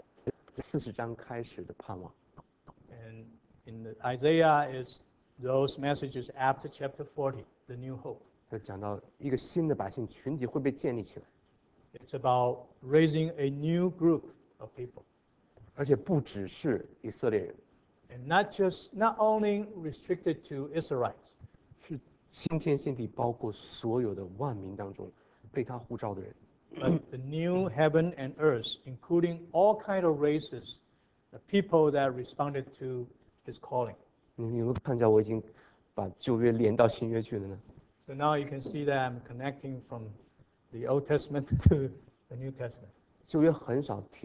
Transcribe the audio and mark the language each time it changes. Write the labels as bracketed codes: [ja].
[zh] 但是之后还有一个新的篇章，这是40章开始的盼望。 [en] And in the Isaiah is those messages after chapter 40, the new hope. [zh] 它讲到一个新的百姓群体会被建立起来。 [en] It's about raising a new group of people. [zh] 而且不只是以色列人。 [en] And not only restricted to Israelites. [zh] 是新天新地包括所有的万民当中被他呼召的人。 [en] But the new heaven and earth, including all kinds of races, the people that responded to his calling. [zh] 你有没有看见我已经把旧约连到新约去了呢？ [en] So now you can see that I'm connecting from the Old Testament to the New Testament.